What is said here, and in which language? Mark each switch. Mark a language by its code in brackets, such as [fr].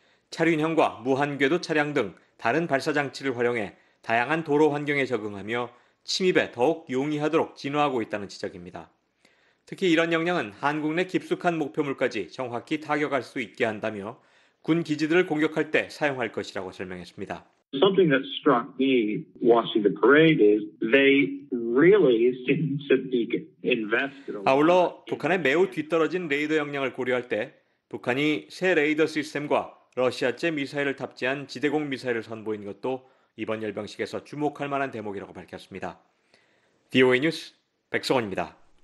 [ko] 차륜형과 무한궤도 차량 등 다른 발사 장치를 활용해 다양한 도로 환경에 적응하며 침입에 더욱 용이하도록 진화하고 있다는 지적입니다. 특히 이런 역량은 한국 내 깊숙한 목표물까지 정확히 타격할 수 있게 한다며 군 기지들을 공격할 때 사용할 것이라고 설명했습니다. [en] Something that struck me watching the parade is they really seem to be invested. [ko] 아울러 북한의 매우 뒤떨어진 레이더 역량을 고려할 때 북한이 새 레이더 시스템과 러시아제 미사일을 탑재한 지대공 미사일을 선보인 것도 이번 열병식에서 주목할 만한 대목이라고 밝혔습니다. VOA 뉴스 백성원입니다.